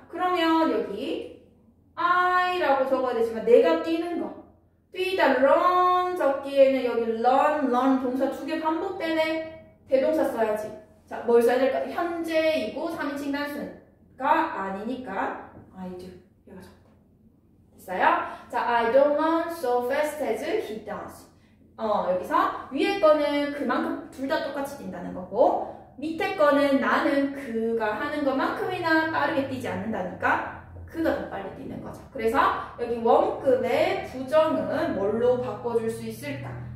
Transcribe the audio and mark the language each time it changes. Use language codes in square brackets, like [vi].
[ko] 그러면 여기 I라고 적어야 되지만 내가 뛰는 거. 뛰다 run 적기에는 여기 run 동사 두개 반복되네. 대동사 써야지. 자, 뭘 써야 될까? 현재이고 3인칭 단수는 가 아니니까 I do. 얘가 적다. 됐어요? [en] 자, I don't run so fast as he does. [ko] 여기서 위에 거는 그만큼 둘다 똑같이 뛴다는 거고 밑에 거는 나는 그가 하는 것만큼이나 빠르게 뛰지 않는다니까 그가 더 빨리 뛰는 거죠. 그래서 여기 원급의 부정은 뭘로 바꿔줄 수 있을까?